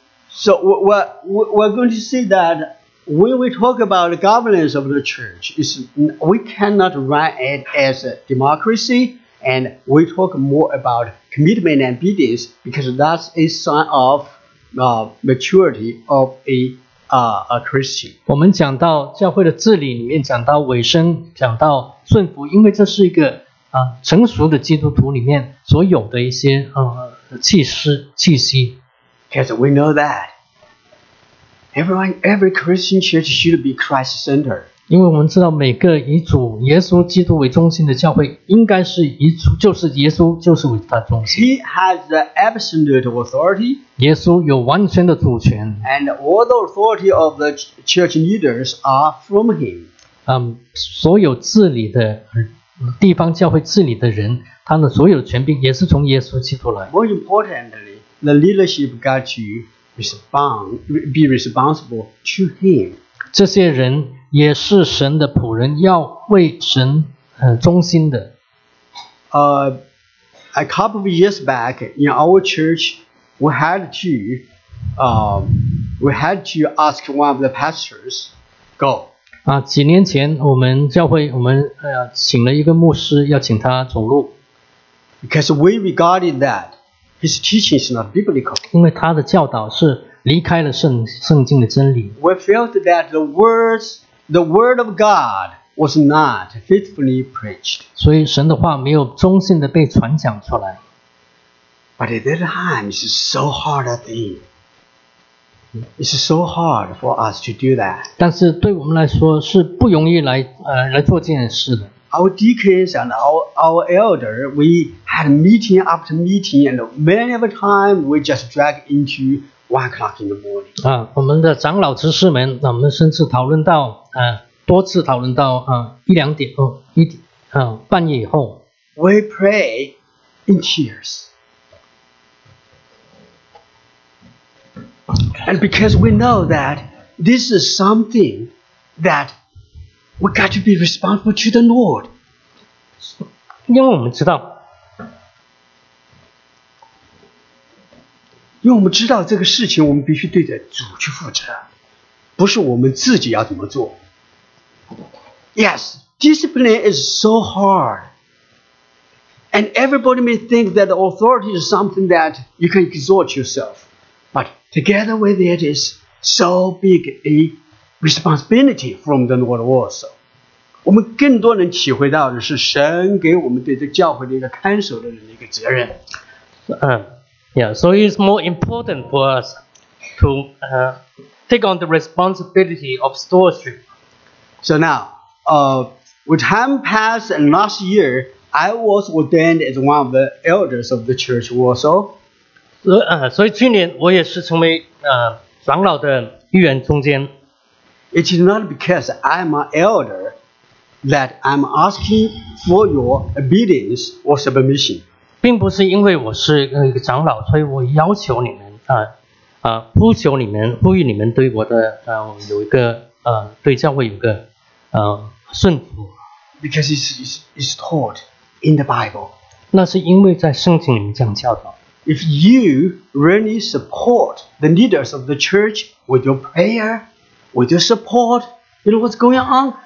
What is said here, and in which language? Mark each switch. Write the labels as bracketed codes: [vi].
[en] So we're going to see that when we talk about the governance of the church, is we cannot run it as a democracy, and we talk more about commitment and obedience because that's a sign of maturity of a Christian. [zh] 我们讲到教会的治理里面，讲到委身，讲到顺服，因为这是一个。成熟的基督徒里面所有的一些气息。 [en] Because we know that every Christian church should be Christ-centered. [zh] 因为我们知道每个以主耶稣基督为中心的教会应该是以主就是耶稣就是为他中心。 [en] He has the absolute authority. [zh] 耶稣有完全的主权。 [en] And all the authority of the church leaders are from him. [zh] 所有治理的地方教会治理的人，他的所有权柄也是从耶稣基督来。 [en] More importantly, the leadership got to be responsible to him. [zh] 这些人也是神的仆人，要为神忠心的。 [en] A couple of years back in our church, we had to ask one of the pastors, go. [zh] 几年前我们教会我们请了一个牧师要请他走路。 [en] Because we regarded that his teaching is not biblical. [zh] 因为他的教导是离开了圣经的真理。 [en] We felt that the word of God was not faithfully preached. [zh] 所以神的话没有忠心的被传讲出来。 [en] But at that time, it's so hard a thing. It's so hard for us to do that. [zh] 但是对我们来说是不容易来做这件事的。 [en] Our deacons and our elder, we had meeting after meeting, and many of the time we just drag into 1 o'clock in the morning. [zh] 我们的长老执事们，我们甚至讨论到多次讨论到一两点哦一半夜以后。 [en] We pray in tears. And because we know that this is something that we got to be responsible to the Lord. [zh] 因为我们知道，这个事情，我们必须对着主去负责，不是我们自己要怎么做。 [en] Yes, discipline is so hard. And everybody may think that the authority is something that you can exhort yourself. Together with it is so big a responsibility from the Lord also. [zh] 我们更多人体会到的是神给我们对这教会的一个看守的人的一个责任。 [en] So it's more important for us to take on the responsibility of stewardship. So now, with time passed and last year, I was ordained as one of the elders of the church also. [zh] 所以去年我也是成为长老的一员中间。 [en] It is not because I'm an elder that I'm asking for your obedience or submission. [zh] 并不是因为我是一个长老，所以我要求你们呼求你们，呼吁你们对我的有一个对教会有个顺服。 [en] Because it's taught in the Bible. [zh] 那是因为在圣经里面这样教导。 [en] If you really support the leaders of the church with your prayer, with your support, you know what's going on?